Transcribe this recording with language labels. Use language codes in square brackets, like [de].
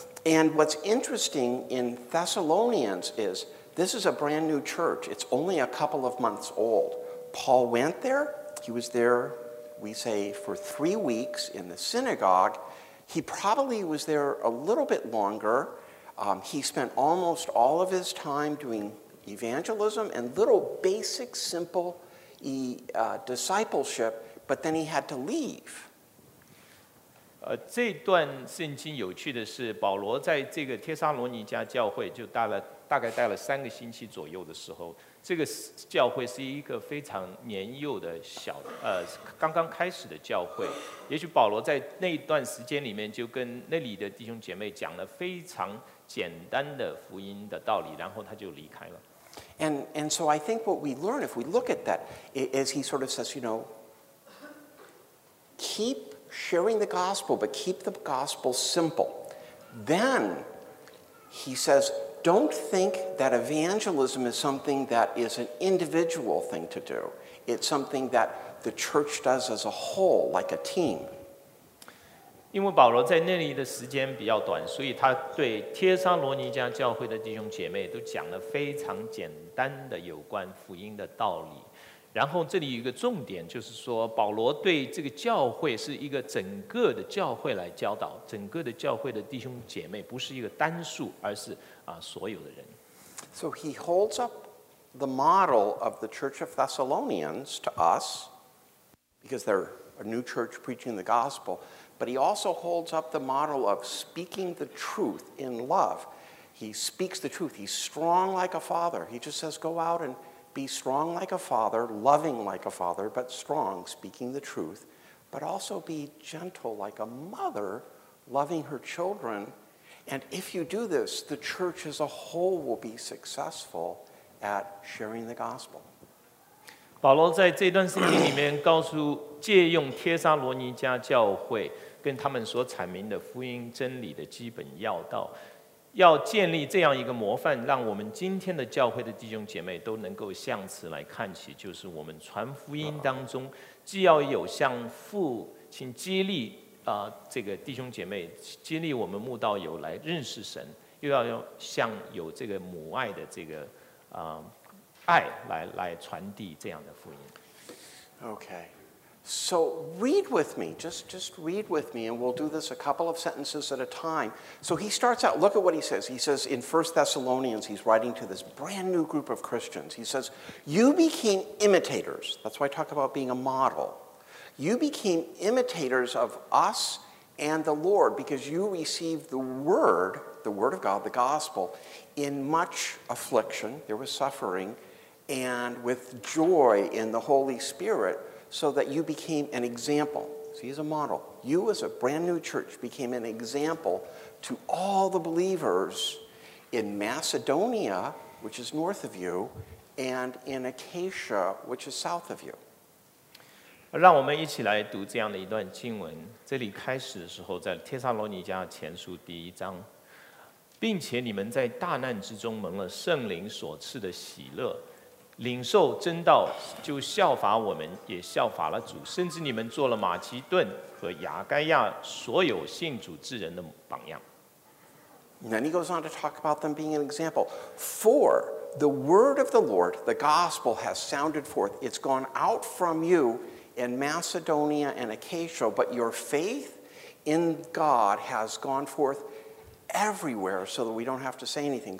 [en] And what's interesting in Thessalonians is this is a brand new church. It's only a couple of months old. Paul went there. He was there, we say, for 3 weeks in the synagogue. He probably was there a little bit longer. He spent almost all of his time doing evangelism and little basic, simple discipleship, but then he had to leave. [zh] 这段圣经有趣的是，保罗在这个帖撒罗尼迦教会就大概待了三个星期左右的时候，这个教会是一个非常年幼的小刚刚开始的教会。也许保罗在那一段时间里面就跟那里的弟兄姐妹讲了非常简单的福音的道理，然后他就离开了。 [en] And so I think what we learn, if we look at that, is he sort of says, you know, keep sharing the gospel, but keep the gospel simple. Then he says, don't think that evangelism is something that is an individual thing to do. It's something that the church does as a whole, like a team. [zh] 因为保罗在那里的时间比较短，所以他对帖撒罗尼迦教会的弟兄姐妹都讲了非常简单的有关福音的道理。然后这里有一个重点，就是说保罗对这个教会是一个整个的教会来教导，整个的教会的弟兄姐妹不是一个单数，而是所有的人。 [en] So he holds up the model of the Church of Thessalonians to us because they're a new church preaching the gospel, but he also holds up the model of speaking the truth in love. He speaks the truth. He's strong like a father. He just says, go out andBe strong like a father, loving like a father, but strong, speaking the truth. But also be gentle like a mother, loving her children. And if you do this, the church as a whole will be successful at sharing the gospel. [zh] 保罗在这段圣经里面告诉，借用帖撒罗尼迦教会跟他们所阐明的福音真理的基本要道。要建立这样一个模范，让我们今天的教会的弟兄姐妹都能够向此来看起，就是我们传福音当中既要有向父亲激励这个弟兄姐妹，激励我们慕道友来认识神，又要向有这个母爱的这个爱来传递这样的福音。 [en] Okay, so read with me, just read with me, and we'll do this a couple of sentences at a time. So he starts out, look at what he says. He says in 1 Thessalonians, he's writing to this brand new group of Christians. He says, you became imitators. That's why I talk about being a model. You became imitators of us and the Lord because you received the word of God, the gospel, in much affliction, there was suffering, and with joy in the Holy Spirit,so that you became an example. See, as a model. You as a brand new church became an example to all the believers in Macedonia, which is north of you, and in Achaia, which is south of you. [zh] 让我们一起来读这样的一段经文。这里开始的时候在帖撒罗尼迦前书第一章。并且你们在大难之中蒙了圣灵所赐的喜乐。领受真道就效法我们，也效法了主，甚至你们做了马其顿和亚该亚所有信主之人的榜样。 [en] Then he goes on to talk about them being an example. For the word of the Lord, the gospel has sounded forth. It's gone out from you in Macedonia and Achaia, but your faith in God has gone forth everywhere so that we don't have to say anything.